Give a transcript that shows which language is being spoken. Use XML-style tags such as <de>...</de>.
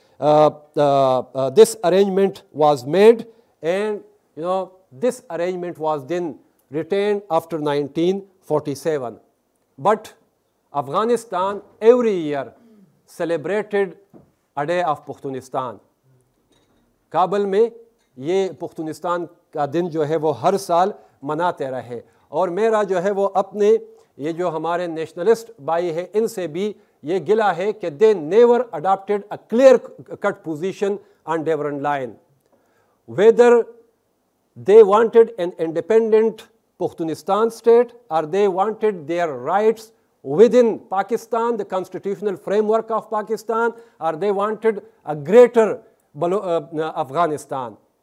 <en>This arrangement was made, and this arrangement was then retained after 1947. But Afghanistan every year celebrated a day of Pakhtunistan.</en> <hi>Kabul mein ye Pakhtunistan ka din jo hai wo har saal मनाते रहे. और मेरा जो है वो अपने ये जो हमारे नेशनलिस्ट भाई है इनसे भी ये गिला है कि</hi> <en>they never adopted a clear cut position on Durand Line. Whether they wanted an independent Pakhtunistan state or they wanted their rights within Pakistan, the constitutional framework of Pakistan, or they wanted a greater Afghanistan.</en>